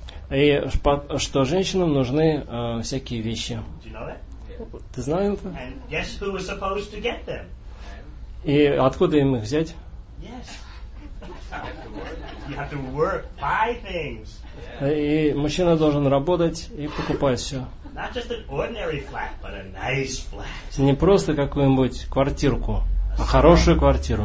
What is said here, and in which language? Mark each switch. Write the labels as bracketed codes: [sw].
[ru] И что женщинам нужны всякие вещи. Ты знаешь это? [en] And guess who was supposed to get them? [ru] И откуда им их взять? [en] Yes. You have to work, buy things. [ru] И мужчина должен работать и покупать все. [en] Not just an ordinary flat, but a nice flat. [ru] Не просто какую-нибудь квартирку, а хорошую квартиру.